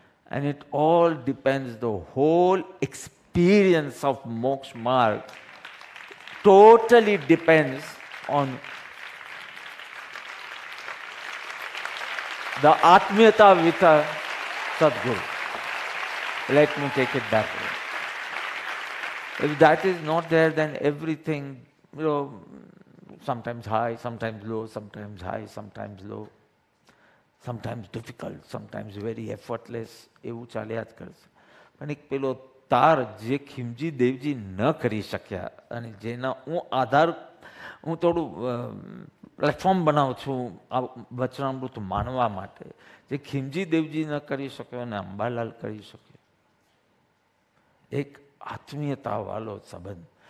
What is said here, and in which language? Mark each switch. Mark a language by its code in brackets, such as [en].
[en] And it all depends the whole experience of moksha marg totally depends on the atmiyata with Sadguru. Let me take it back. If that is not there, then everything, you know, sometimes high, sometimes low, sometimes high, sometimes low, sometimes difficult, sometimes very effortless, [gu] એવું ચાલ્યા જ કરશે. પણ એક પેલો તાર જે ખીમજી દેવજી ન કરી શક્યા, અને જેના હું આધાર, હું થોડું પ્લેટફોર્મ બનાવું છું આ વચનામૃત માનવા માટે, જે ખીમજી દેવજી ન કરી શક્યો અને અંબાલાલ કરી શક્યો, એક આત્મીયતા વાળો સંબંધ.